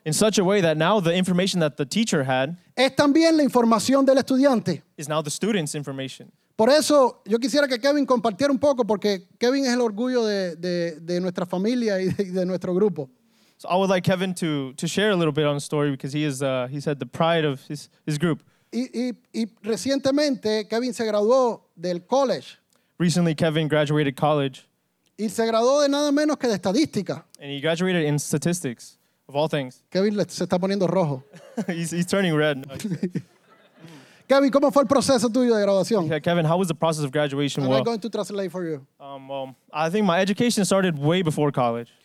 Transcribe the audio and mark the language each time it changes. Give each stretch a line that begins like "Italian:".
English: In such a way that now the information that the teacher had.
Spanish: Es también la información del estudiante.
English: Is now the student's information.
Spanish: Por eso yo quisiera que Kevin compartiera un poco porque Kevin es el orgullo de nuestra familia y de nuestro grupo.
English: So I would like Kevin to share a little bit on the story because he said the pride of his group.
Spanish: Y recientemente Kevin se graduó del college.
English: Recently Kevin graduated college.
Spanish: Y se graduó de nada menos que de estadística.
English: And he graduated in statistics of all things.
Spanish: Kevin se está poniendo rojo.
English: he's turning red.
Spanish: Kevin, ¿cómo fue el proceso tuyo de graduación?
English: Yeah, Kevin, how was the process of graduation? Well, I'm going to translate for you. I think my education started way before college.